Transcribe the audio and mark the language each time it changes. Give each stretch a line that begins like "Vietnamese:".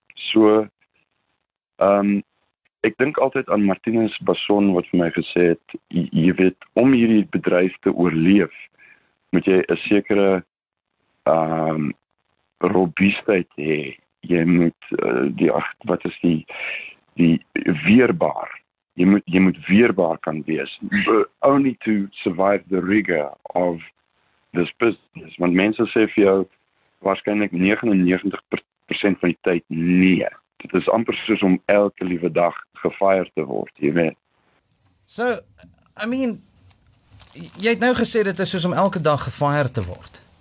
Afrikaans: So ek dink altyd aan Martinus Basson wat vir my gesê het, jy weet, om hierdie bedryf te oorleef, moet jy 'n sekere robuustheid hê. Jy moet die weerbaar. Jy moet weerbaar kan wees.
English: Only to survive the rigor of this business.
Afrikaans: Want mense sê vir jou waarskynlik 99% van die tyd nee. Dit is amper soos om elke liewe dag gefire te word, jy weet.
English: So, I mean,
Afrikaans: jy het nou gesê dit is soos om elke dag gefire te word.